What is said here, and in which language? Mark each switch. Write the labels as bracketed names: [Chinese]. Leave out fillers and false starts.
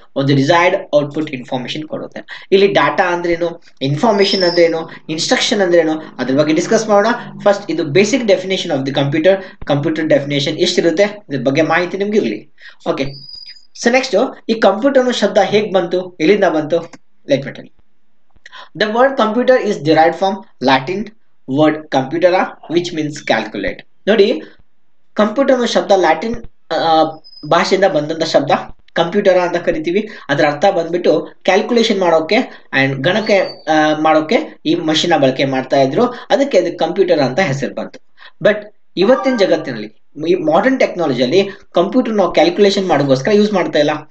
[Kannada] ಒಂದು desired output information ಕೊಡುತ್ತೆ. ಇಲ್ಲಿ ಡಾಟಾ ಅಂದ್ರೇನು, ಇನ್ಫಾರ್ಮೇಷನ್ ಅಂದ್ರೇನು, ಇನ್ಸ್ಟ್ರಕ್ಷನ್ ಅಂದ್ರೇನು, ಅದ್ರ ಬಗ್ಗೆ ಡಿಸ್ಕಸ್ ಮಾಡೋಣ. ಫಸ್ಟ್ ಇದು basic definition of the computer. Computer definition ಎಷ್ಟಿರುತ್ತೆ ಇದ್ರ ಬಗ್ಗೆ ಮಾಹಿತಿ ನಿಮ್ಗೆ ಇರಲಿ. ಓಕೆ, ಸೊ ನೆಕ್ಸ್ಟ್ ಈ ಕಂಪ್ಯೂಟರ್ ಅನ್ನೋ ಶಬ್ದ ಹೇಗೆ ಬಂತು, ಎಲ್ಲಿಂದ ಬಂತು? ಲೈಕ್ ಬಿಟ್ಟು [English] The word computer is derived from Latin word computera, which means calculate. [Kannada] ನೋಡಿ, ಕಂಪ್ಯೂಟರ್ ಅನ್ನೋ ಶಬ್ದ ಲ್ಯಾಟಿನ್ ಭಾಷೆಯಿಂದ ಬಂದಂತ ಶಬ್ದ. ಕಂಪ್ಯೂಟರ ಅಂತ ಕರಿತೀವಿ, ಅದರ ಅರ್ಥ ಬಂದ್ಬಿಟ್ಟು ಕ್ಯಾಲ್ಕುಲೇಷನ್ ಮಾಡೋಕೆ ಆ್ಯಂಡ್ ಗಣಕೆ ಮಾಡೋಕೆ ಈ ಮಷಿನ ಬಳಕೆ ಮಾಡ್ತಾ ಇದ್ರು. ಅದಕ್ಕೆ ಅದು ಕಂಪ್ಯೂಟರ್ ಅಂತ ಹೆಸರು ಬಂತು. ಬಟ್ ಇವತ್ತಿನ ಜಗತ್ತಿನಲ್ಲಿ ಈ ಮಾಡರ್ನ್ ಟೆಕ್ನಾಲಜಿಯಲ್ಲಿ ಕಂಪ್ಯೂಟರ್ ನಾವು ಕ್ಯಾಲ್ಕುಲೇಷನ್ ಮಾಡೋಕ್ಕೋಸ್ಕರ ಯೂಸ್ ಮಾಡ್ತಾ ಇಲ್ಲ.